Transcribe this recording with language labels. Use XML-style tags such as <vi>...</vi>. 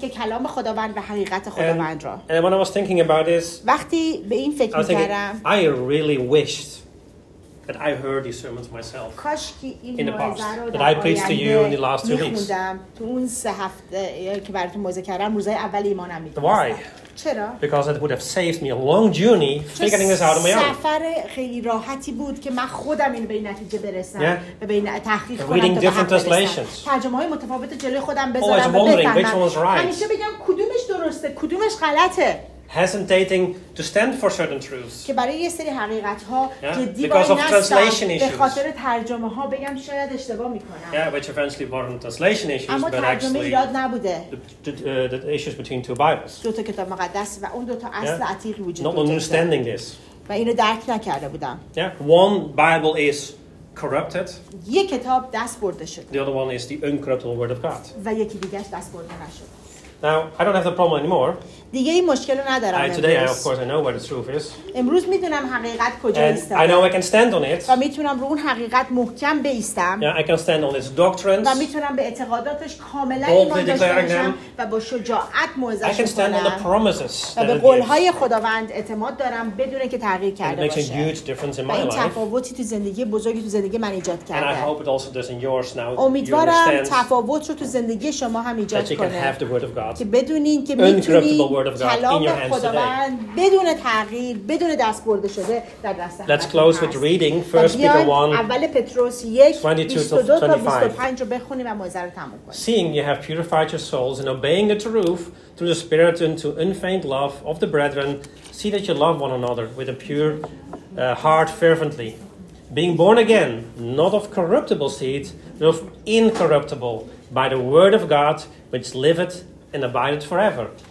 <fa>که کلام خداوند و حقیقت خداوند را.</fa> <en>And when I was thinking about this,</en> <fa>وقتی به این فکر می‌کردم,</fa> <en>I really wished that I heard these sermons myself. In the past, that I preached to you in the last 2 weeks.</en> <fa>تو اون سه هفته که براتون موزه کردم روزهای اول ایمانم می‌دیدم.</fa> <en>Why? Because it would have saved me a long journey figuring this out on my own.</en> <fa>سفر خیلی راحتی بود که من خودم اینو به نتیجه برسم و به تحقیق کنم.</fa> <en>Reading different translations.</en> <fa>ترجمه‌های متفاوت جلوی خودم بذارم.</fa> <en>Always wondering which one was right.</en> <fa>همیشه بگم کدومش درسته، کدومش غلطه.</fa> <en>Hesitating to stand for certain truths.</en> <fa>که برای یه سری حقیقت‌ها جدی باشم.</fa> <en>Because of translation issues.</en> <fa>به خاطر ترجمه‌ها بگم شاید اشتباه می‌کنم.</fa> <en>Yeah, which eventually weren't translation issues,</en> <fa>اما</fa> <en>but</en> <fa>ترجمه</fa> <en>actually</en> <fa>ایراد نبوده.</fa> <en>The issues between two Bibles.</en> <fa>دو تا کتاب مقدس و اون دو تا اصل عتیق وجود داشت.</fa> <en>Not understanding this.</en> <fa>و اینو درک نکرده بودم.</fa> <en>Yeah, one Bible is corrupted.</en> <fa>یک کتاب دست برده شد.</fa> <en>The other one is the uncorruptible word of God.</en> <fa>و یکی دیگه دست برده نشد.</fa> <en>Now I don't have the problem anymore.</en> <fa>دیگه این مشکل رو ندارم.</fa> <en>Today, of course, I know where the truth is.</en> <fa>امروز میدونم حقیقت کجا ایستاده.</fa> <en>I know I can stand on it.</en> <fa>و میتونم رو اون حقیقت محکم بیستم.</fa> <en>Yeah, I can stand on its doctrines.</en> <fa>و میتونم به اعتقاداتش کاملا ایمان داشته باشم و با شجاعت موعظه کنم.</fa> <en>I can stand on the promises.</en> <fa>و به قول‌های خداوند اعتماد دارم بدون اینکه تغییر کرده باشه.</fa> <en>It makes a huge difference in my life.</en> <fa>این تفاوتی تو زندگی بزرگی تو زندگی من ایجاد کرده.</fa> <en>And I hope it also does in yours now.</en> <fa>امیدوارم تفاوت رو تو زندگی شما هم ایجاد کنه. که بدونین که میتونید کلام خداوند بدون تغییر بدون دست برده شده در دست هست.</fa> <en>Let's close with reading 1 Peter 1</en> <fa>اول پتروس 1:22-25 رو بخونیم و موعظه رو تموم کنیم.</fa> <en>Seeing you have purified your souls and obeying the truth through the Spirit unto unfeigned love of the brethren, see that you love one another with a pure heart fervently. Being born again, not of corruptible seed, but of incorruptible, by the word of God, which liveth and abideth forever.</en>